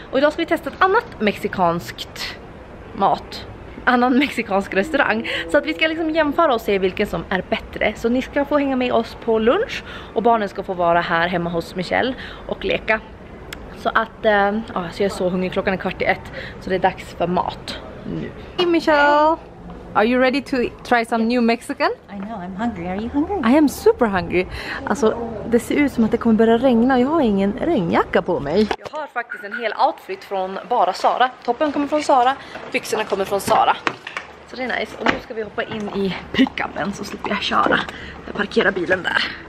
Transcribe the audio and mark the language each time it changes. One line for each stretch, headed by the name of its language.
Swedish: Och idag ska vi testa ett annat mexikanskt mat, annan mexikansk restaurang. Så att vi ska liksom jämföra och se vilken som är bättre. Så ni ska få hänga med oss på lunch, och barnen ska få vara här hemma hos Michelle och leka. Så att, så jag är så hungrig, klockan är 1:15, så det är dags för mat nu.
English: Hey Michelle, are you ready to try some new Mexican? I know, I'm hungry, are you hungry? I am super hungry.
Swedish: Alltså, det ser ut som att det kommer börja regna, jag har ingen regnjacka på mig. Jag har faktiskt en hel outfit från bara Sara. Toppen kommer från Sara, byxorna kommer från Sara. Så det är nice, och nu ska vi hoppa in i pickupen så slipper jag köra. Jag parkerar bilen där.